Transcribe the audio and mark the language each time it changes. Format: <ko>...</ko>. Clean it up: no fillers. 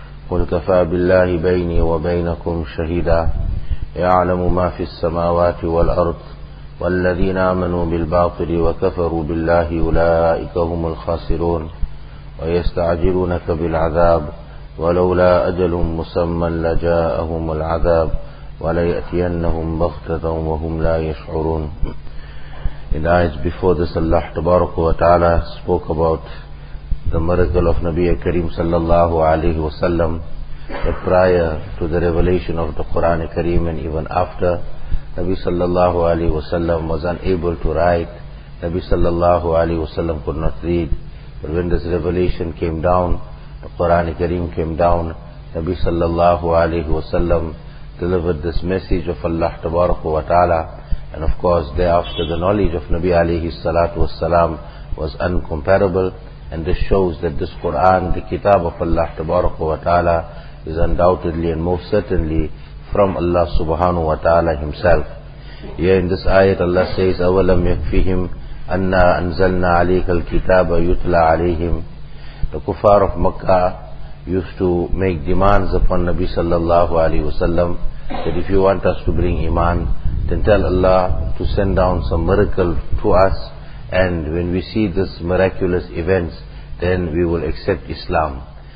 <ar>قل كفى بالله بيني وبينكم شهيدا يعلم ما في السماوات والأرض والذين آمنوا بالباطل وكفروا بالله أولئك هم الخاسرون ويستعجلونك بالعذاب ولولا أجل مسمى لجاءهم العذاب وليأتينهم بغتة وهم لا يشعرون.</ar> <en>In the ayahs before this, Allah Tabarak wa Ta'ala spoke about the miracle of Nabi Kareem sallallahu alayhi wa sallam, that prior to the revelation of the Quran Kareem and even after, Nabi sallallahu alayhi wa sallam was unable to write. Nabi sallallahu alayhi wa sallam could not read. But when this revelation came down, the Quran Kareem came down, Nabi sallallahu alayhi wa sallam delivered this message of Allah Tabarak wa Ta'ala. And of course, thereafter, the knowledge of Nabi alayhi salatu was salam was incomparable. And this shows that this Quran, the kitab of Allah Tabarak wa Ta'ala, is undoubtedly and most certainly from Allah subhanahu wa ta'ala himself. Here in this ayat, Allah says,</en> <ar>أَوَلَمْ يَكْفِهِمْ أَنَّا أَنزَلْنَا عَلَيْكَ الْكِتَابَ يُتْلَى عَلَيْهِمْ.</ar> <en>The kuffar of Makkah used to make demands upon Nabi sallallahu alayhi wa sallam that if you want us to bring iman, then tell Allah to send down some miracle to us, and when we see this miraculous events, then we will accept Islam.</en>